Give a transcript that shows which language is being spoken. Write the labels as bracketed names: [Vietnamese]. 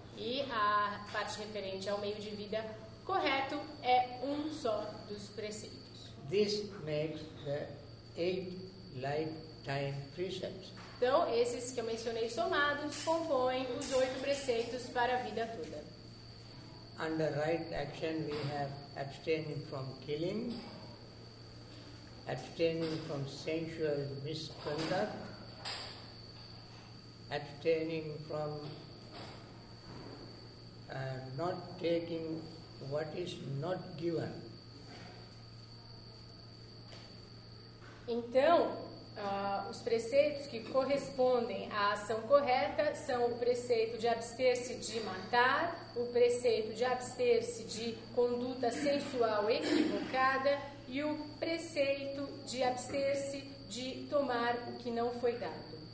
[Portuguese] E a parte referente ao meio de vida correto é um só dos preceitos. [English] This makes the eight lifetime precepts. [Portuguese] Então, esses que eu mencionei somados compõem os oito preceitos para a vida toda. [English] Under right action, we have abstaining from killing, abstaining from sensual misconduct, abstaining from not taking what is not given. [Portuguese] Então, os preceitos que correspondem à ação correta são o preceito de abster-se de matar, o preceito de abster-se de conduta sensual equivocada e o preceito de abster-se de tomar o que não foi dado.